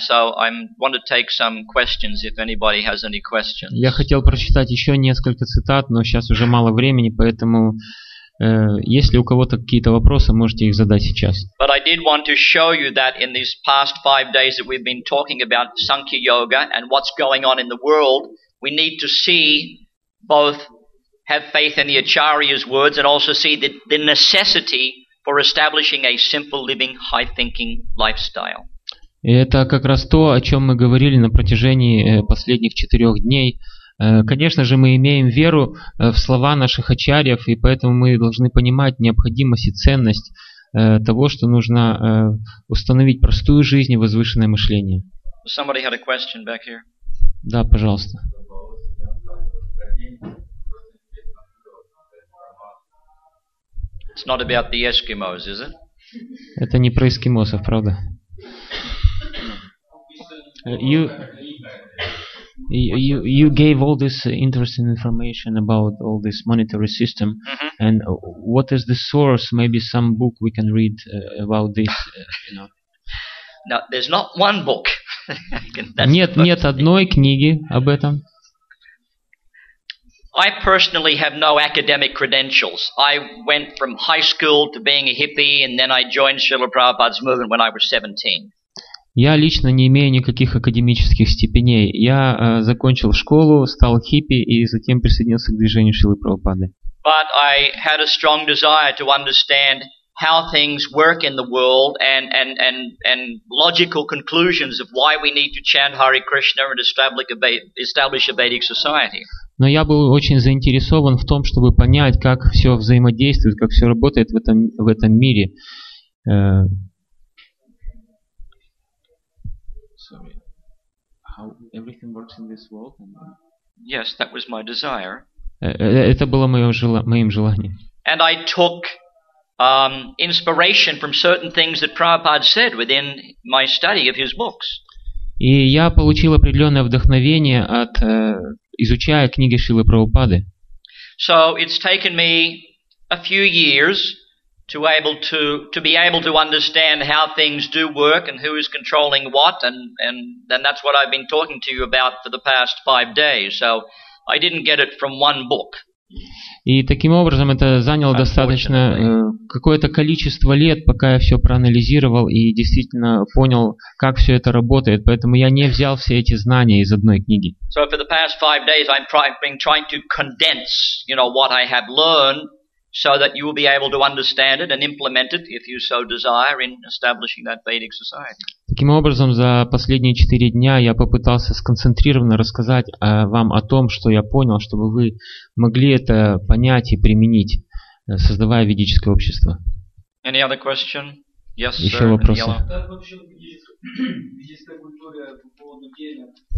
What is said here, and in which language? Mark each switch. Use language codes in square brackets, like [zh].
[en] So I want to take some questions if anybody has any questions. [ru] Я хотел прочитать еще несколько цитат, но сейчас уже мало времени, поэтому если у кого-то какие-то вопросы, можете их задать сейчас. [en] But I did want to show you that in these past 5 days that we've been talking about Sankhya Yoga and what's going on in the world, we need to see both. Have faith in the Acharya's words and also see the necessity for establishing a simple living, high-thinking lifestyle. [ru] Это как раз то, о чем мы говорили на протяжении последних 4 дней. Конечно же, мы имеем веру в слова наших Ачарьев, и поэтому мы должны понимать необходимость и ценность того, что нужно установить простую жизнь и возвышенное мышление. [en] Somebody had a question back here. [ru] Да, пожалуйста. [en] It's not about the Eskimos, is it? [ru] Это не про эскимосов, правда? [en] You gave all this interesting information about all this monetary system, mm-hmm. And what is the source? Maybe some book we can read about this. No, there's not one book. [ru] нет одной книги об этом. [en] I personally have no academic credentials. I went from high school to being a hippie, and then I joined Srila Prabhupada's movement when I was 17. [ru] Я лично не имею никаких академических степеней. Я закончил школу, стал хиппи и затем присоединился к движению Шрилы Прабхупады. [en] But I had a strong desire to understand how things work in the world and logical conclusions of why we need to chant Hare Krishna and establish a Vedic society. [ru] Но я был очень заинтересован в том, чтобы понять, как все взаимодействует, как все работает в этом мире. [en] Sorry. How everything works in this world? Yes, that was my desire. [ru] Это было моим желанием. [en] And I took inspiration from certain things that Prabhupada said within my study of his books. [ru] И я получил определенное вдохновение от изучая книги Шрилы Прабхупады. [en] So it's taken me a few years to be able to understand how things do work and who is controlling what, and that's what I've been talking to you about for the past 5 days. So I didn't get it from one book. [ru] И таким образом это заняло достаточно какое-то количество лет, пока я все проанализировал и действительно понял, как все это работает. Поэтому я не взял все эти знания из одной книги. [en] So for the past 5 days I've been trying to condense, you know, what I have learned so that you will be able to understand it and implement it, if you so desire, in establishing that Vedic society. [ru] Таким образом, за последние 4 дня я попытался сконцентрированно рассказать вам о том, что я понял, чтобы вы могли это понять и применить, создавая ведическое общество. [en] Any other question? Yes, [ru] еще вопросы? Как вообще ведическая культура по поводу денег?